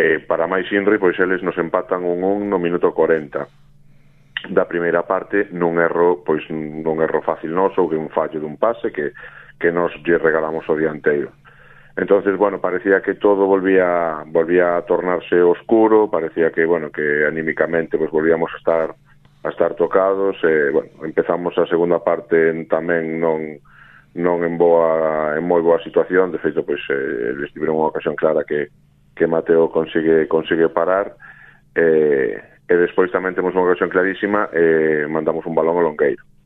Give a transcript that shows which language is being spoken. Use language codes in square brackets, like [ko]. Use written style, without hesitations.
[gl] Para máis inri, pois eles nos empatan 1-1 no minuto 40 da primeira parte, nun erro fácil noso, que un fallo dun pase que nos lle regalamos o dianteiro. [es] Entonces, bueno, parecía que todo volvía a tornarse oscuro, parecía que, bueno, que anímicamente pues volvíamos a estar tocados. [gl] Bueno, empezamos a segunda parte tamén non en moi boa situación. De feito, pues les tiveron unha ocasión clara que Mateo consigue parar. E despois tamén temos unha ocasión clarísima, mandamos un balón a Longueiro.